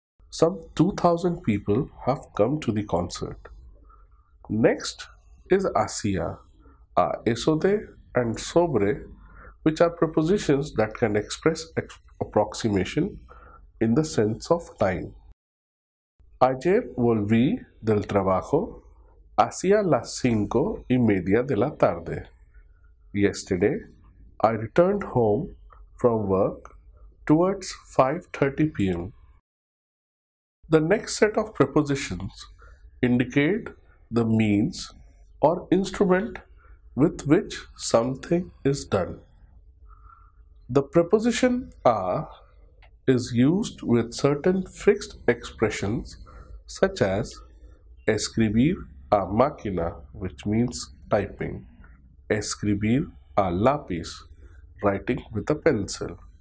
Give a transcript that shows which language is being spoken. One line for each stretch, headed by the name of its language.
English: Some 2,000 people have come to the concert. Next is hacia, a eso de, and sobre, which are prepositions that can express approximation in the sense of time.
Spanish: Ayer volví del trabajo hacia las 5:30 de la tarde.
English: Yesterday, I returned home from work towards 5:30 p.m. The next set of prepositions indicate the means or instrument with which something is done. The preposition a is used with certain fixed expressions such as escribir a máquina, which means typing, escribir a lápiz, writing with a pencil,